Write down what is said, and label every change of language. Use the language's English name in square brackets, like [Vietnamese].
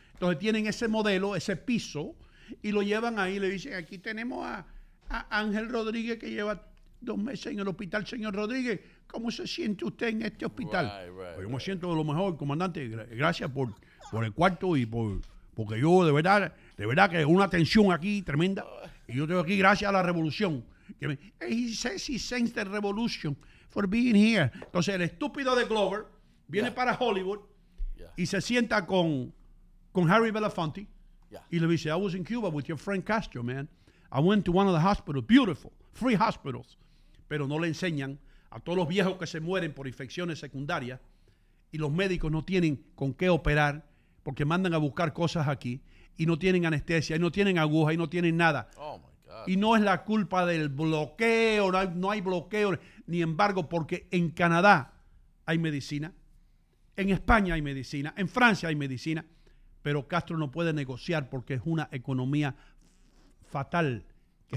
[Spanish] Entonces tienen ese modelo, ese piso, y lo llevan ahí, le dicen, aquí tenemos a Ángel Rodríguez, que lleva 2 meses en el hospital. Señor Rodríguez, ¿cómo se siente usted en este hospital? [English] Right. [Spanish] Yo me siento de lo mejor, comandante, gracias por el cuarto, y porque yo de verdad que una tensión aquí tremenda, y yo tengo aquí gracias a la revolución. [English] He says he sends the revolution for being here. [Spanish] Entonces el estúpido de Glover viene para Hollywood y se sienta con Harry Belafonte y le dice, [English] I was in Cuba with your friend Castro, man. I went to one of the hospitals, beautiful, free hospitals. [Spanish] Pero no le enseñan a todos los viejos que se mueren por infecciones secundarias, y los médicos no tienen con qué operar porque mandan a buscar cosas aquí y no tienen anestesia, y no tienen aguja, y no tienen nada. [English] Oh, my. [Spanish] Y no es la culpa del bloqueo, no hay bloqueo, ni embargo, porque en Canadá hay medicina, en España hay medicina, en Francia hay medicina, pero Castro no puede negociar porque es una economía fatal, que